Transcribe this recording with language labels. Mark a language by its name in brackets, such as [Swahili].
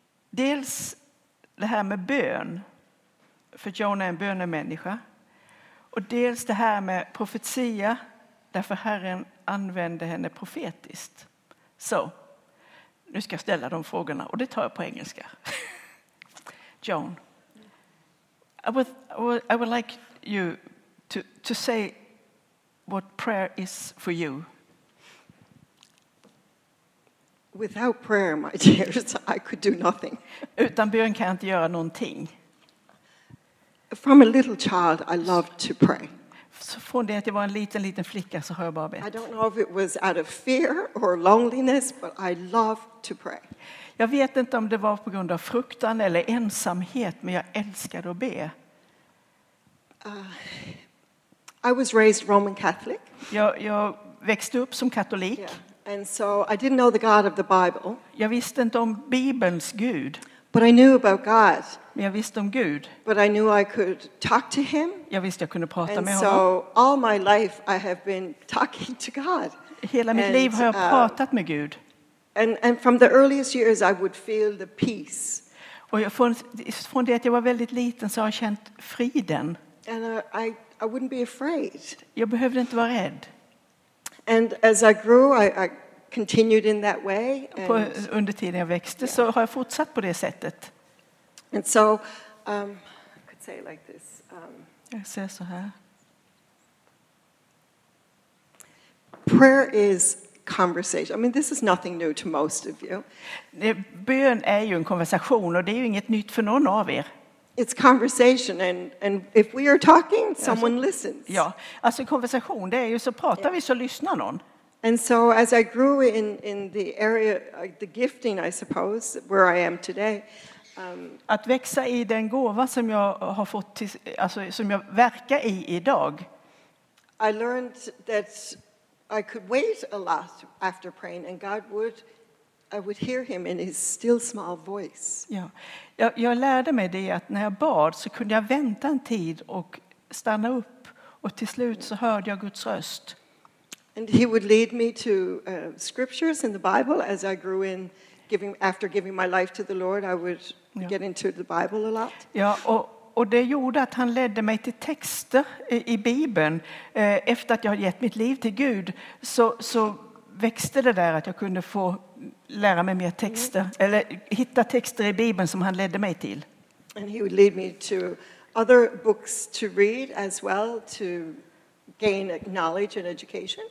[Swedish] Dels det här med bön, för Joan är en bönemänniska. Och dels det här med profetia, därför Herren använde henne profetiskt. Så, nu ska jag ställa de frågorna, och det tar jag på engelska. [English] Joan, I would like you to say what prayer is for you. Without prayer, my dears, I could do nothing. [Swedish] Utan bön kan jag inte göra någonting. [English] From a little child, I loved to pray. [Swedish] Så från det att jag var en liten flicka så har jag bara bett. [English] I don't know if it was out of fear or loneliness, but I loved to pray. [Swedish] Jag vet inte om det var på grund av fruktan eller ensamhet, men jag älskade att be. [English] I was raised Roman Catholic. [Swedish] Jag växte upp som katolik. [English] Yeah. And so I didn't know the God of the Bible. [Swedish] Jag visste inte om Bibelns Gud. [English] But I knew about God. [Swedish] Men jag visste om Gud. [English] But I knew I could talk to him. [Swedish] Jag visste jag kunde prata med honom. [English] And so all my life I have been talking to God. [Swedish] Hela mitt liv har jag pratat med Gud. [English] And from the earliest years I would feel the peace. [Swedish] Och från det att jag var väldigt liten så har jag känt friden. [English] And I wouldn't be afraid. [Swedish] Jag behövde inte vara rädd. [English] And as I grew, I continued in that way. [Swedish] Under tiden jag växte så har jag fortsatt på det sättet. [English] And so, I could say like this. [Swedish] Jag säger så här. [English] Prayer is conversation. I mean, this is nothing new to most of you. [Swedish] Bön är ju en konversation och det är ju inget nytt för någon av er. [English] It's conversation and if we are talking someone listens. [Swedish] Ja, alltså konversation det är ju så pratar vi så lyssnar någon. [English] And so as I grew in the area the gifting I suppose where I am today. [Swedish] Att växa i den gåva som jag har fått till, alltså som jag verkar i idag. [English] I learned that I could wait a lot after praying and God would I would hear him in his still small voice. [Swedish] Ja. Jag lärde mig det att när jag bad så kunde jag vänta en tid och stanna upp och till slut så hörde jag Guds röst. [English] And he would lead me to scriptures in the Bible as I grew in giving after giving my life to the Lord I would get into the Bible a lot. [Swedish] Ja, och det gjorde att han ledde mig till texter i Bibeln efter att jag hade gett mitt liv till Gud så växte det där att jag kunde få lära mig mer texter eller hitta texter i Bibeln som han ledde mig till. [English] And he would lead me to other books to read as well to gain knowledge and education.